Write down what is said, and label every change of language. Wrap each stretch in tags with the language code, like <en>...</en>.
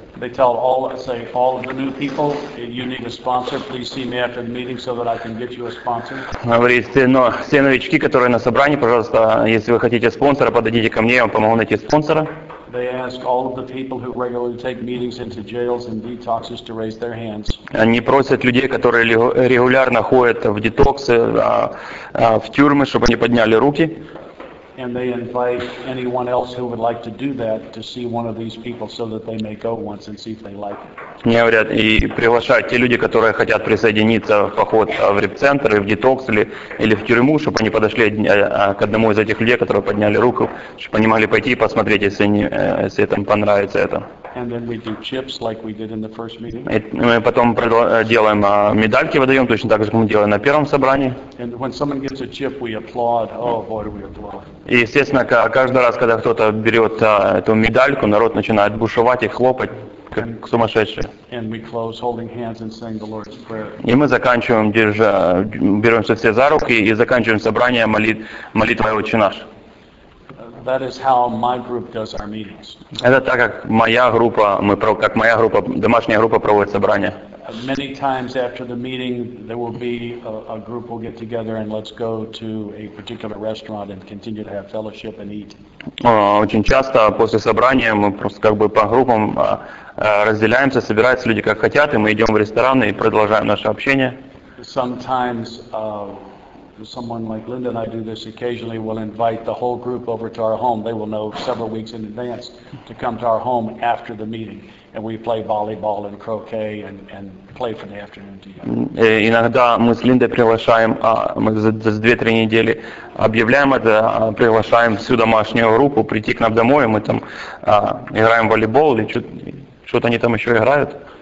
<en>They tell all, say, all of the new people, you need a sponsor. Please see me after the meeting so that I can get you a sponsor.</en> <ru>Говорит, но все новички, которые на собрании, пожалуйста, если вы хотите спонсора, подойдите ко мне, я вам помогу найти спонсора.</ru> <en>They ask all of the people who regularly take meetings into jails and detoxes to raise their hands.</en> <ru>Они просят людей, которые регулярно ходят в детоксы, в тюрьмы, чтобы они подняли руки.</ru> <en>And they invite anyone else who would like to do that to see one of these people so that they may go once and see if they like it.</en> <ru>Не говорят, и приглашают те люди, которые хотят присоединиться в поход в реп-центр, в детокс или в тюрьму, чтобы они подошли к одному из этих людей, которые подняли руку, чтобы они могли пойти и посмотреть, если им понравится это.</ru> <en>And then we do chips like we did in the first meeting.</en> <ru>Мы потом делаем медальки, выдаем точно так же, как мы делали на первом собрании.</ru> <en>And when someone gets a chip, we applaud. Oh boy, we applaud.</en> <ru>И, естественно, каждый раз, когда кто-то берет эту медальку, народ начинает бушевать и хлопать, как сумасшедшие. И мы заканчиваем, беремся все за руки и заканчиваем собрание молитвой «Отче наш». Это так, как моя группа, домашняя группа проводит собрание.</ru> <en>Many times after the meeting, there will be a group will get together and let's go to a particular restaurant and continue to have fellowship and eat.</en> <ru>Очень часто после собрания мы просто как бы по группам разделяемся, собираются люди как хотят, и мы идем в ресторан и продолжаем наше общение.</ru> <en>Sometimes someone like Linda and I do this occasionally. We'll invite the whole group over to our home. They will know several weeks in advance to come to our home after the meeting. And we play volleyball and croquet and play for the afternoon together.</en> <ru>Иногда мы с Линдой приглашаем, мы за 2-3 недели объявляем это, приглашаем всю домашнюю группу прийти к нам домой, мы там играем в волейбол или что-то они там еще играют.</ru>